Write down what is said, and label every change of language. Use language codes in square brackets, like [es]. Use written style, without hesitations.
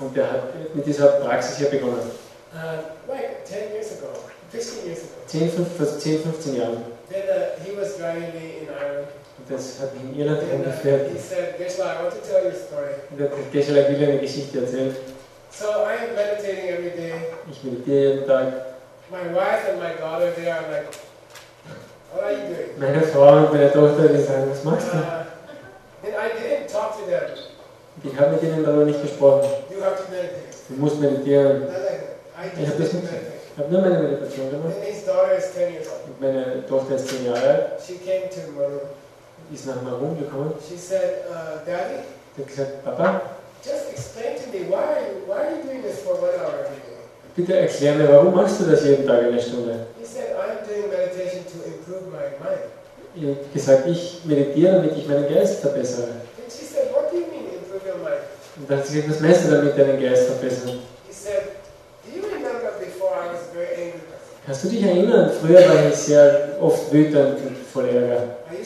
[de] Und er hat mit dieser Praxis hier begonnen. [en] Like 10 years ago. [de] 10-15 Jahren. [en] Then he was driving me in Ireland. [de] Das hat ihn in Irland umgeführt. Und er hat Geshe-la, ich will eine Geschichte erzählen. [en] So I am meditating every day. [de] Ich meditiere jeden Tag. [en] My wife and my daughter, they are like, what are you doing? [de] Meine Frau und meine Tochter, die sagen, was machst du? [en] And I didn't talk to them. [de] Ich habe mit ihnen darüber nicht gesprochen. [en] You have to meditate. [de] Du musst meditieren. Ich habe nicht gesagt. Ich habe nur meine Meditation gemacht. [en] And his daughter is 10 years old. [de] Und meine Tochter ist 10 Jahre alt. [en] She came to Maru. [de] Ist nach Marum gekommen. [en] She said, Daddy. [de] Sie hat gesagt, Papa. [en] Just explain to me why are you doing this for 1 hour every day? [de] Bitte erklär mir, warum machst du das jeden Tag eine Stunde? [en] He said, I'm doing meditation to improve my mind. [de] Sie hat gesagt, ich meditiere, damit ich meinen Geist verbessere. [en] And she said, what do you mean improve your mind? [de] Und dann hat sie gesagt, was meinst du damit, deinen Geist verbessern? [en] He said, do you remember before I was very angry? [de] Kannst du dich erinnern? Früher war ich sehr oft wütend und voll Ärger.